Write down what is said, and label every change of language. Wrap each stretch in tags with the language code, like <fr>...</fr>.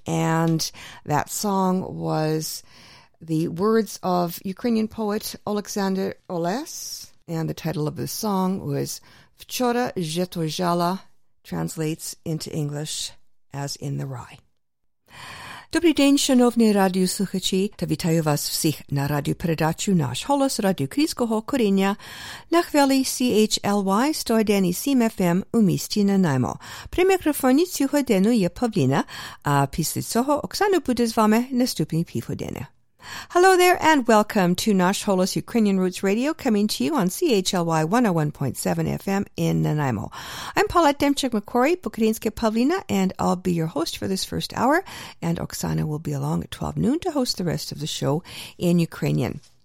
<en>And that song was the words of Ukrainian poet Oleksandr Oles. And the title of the song was Vchora Zhetozhala, translates into English as in the rye.</en> <uk>Добрий день, шановні радіослухачі, та вітаю вас всіх на радіопередачу «Наш голос» радіокрізького коріння на хвилі CHLY 101.7 FM у місті Нанаймо. При мікрофоні цю годину є Павліна, а після цього Оксана буде з вами наступні півгодини.</uk> <en>Hello there and welcome to Nash Holos Ukrainian Roots Radio, coming to you on CHLY 101.7 FM in Nanaimo. I'm Paulette Demchuk-McQuarrie, Bukharinska Pavlina, and I'll be your host for this first hour, and Oksana will be along at 12 noon to host the rest of the show in Ukrainian.</en>